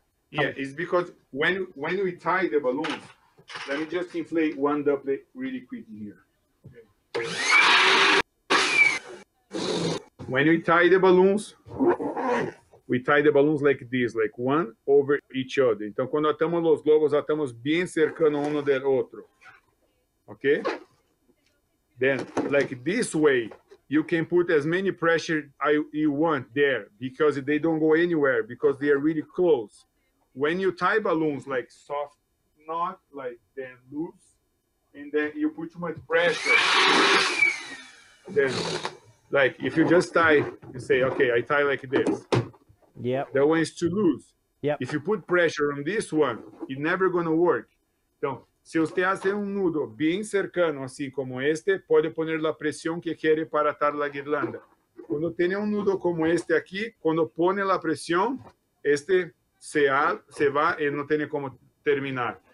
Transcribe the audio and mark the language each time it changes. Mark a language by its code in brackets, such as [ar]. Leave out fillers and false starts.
[en] yeah, it's because when we tie the balloons, let me just inflate one duplet really quick here. Okay. When we tie the balloons, like this, like one over each other. [pt] Então, quando atamos os globos, atamos bem cercando um do outro. Okay? [en] Then, like this way, you can put as many pressure you want there because they don't go anywhere because they are really close. When you tie balloons like soft knot, like then loose, and then you put too much pressure, then like if you just tie, you say, okay, I tie like this. Yeah. That one is too loose. Yeah. If you put pressure on this one, it's never going to work. [pt] Então, se você tem nudo bem cercano, assim como este, pode [es] poner la presión que quiere para atar la guirlanda. [pt] Quando tem nudo como este aqui, quando [es] pone la presión, [pt] este [es] se va [pt] e não tem como terminar.